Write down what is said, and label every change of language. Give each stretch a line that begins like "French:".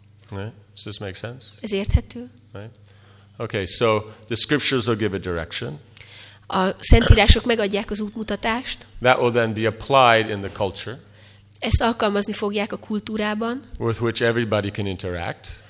English: Right. Does this make sense?
Hungarian: Ez érthető.
English: Right. Okay, so the scriptures will give a direction.
Hungarian: A szentírások megadják az útmutatást.
English: That will then be applied in the culture.
Hungarian: Ezt alkalmazni fogják a kultúrában.
English: With which everybody can interact.